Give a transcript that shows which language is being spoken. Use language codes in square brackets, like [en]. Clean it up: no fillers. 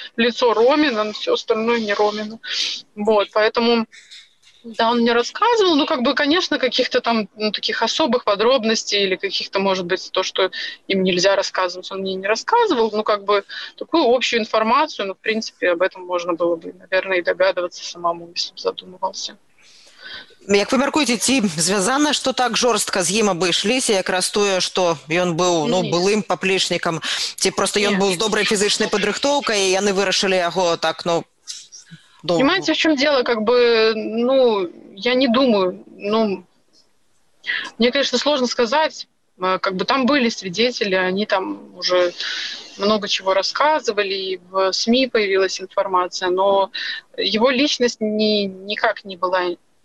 [ru] Лицо Ромина, но все остальное не Ромина. Вот, поэтому, да, он мне рассказывал, ну, как бы, конечно, каких-то там, ну, таких особых подробностей или каких-то, может быть, то, что им нельзя рассказывать, он мне не рассказывал, ну, как бы, такую общую информацию, ну, в принципе, об этом можно было бы, наверное, и догадываться самому, если бы задумывался. [be] Як вы мяркуеце, ці звязана, што так жорстка з ім абышліся, якраз тое, што ён быў, ну, былым паплечнікам, ці проста ён быў з добрай фізычнай падрыхтоўкай, і яны вырашылі яго так, ну, доўга. [ru] Понимаете, в чём дело, как бы, ну, я не думаю, ну, мне, конечно, сложно сказаць, как бы там были свидетели, они там уже много чего рассказывали, и в СМИ появилась информация, но его личность никак не была.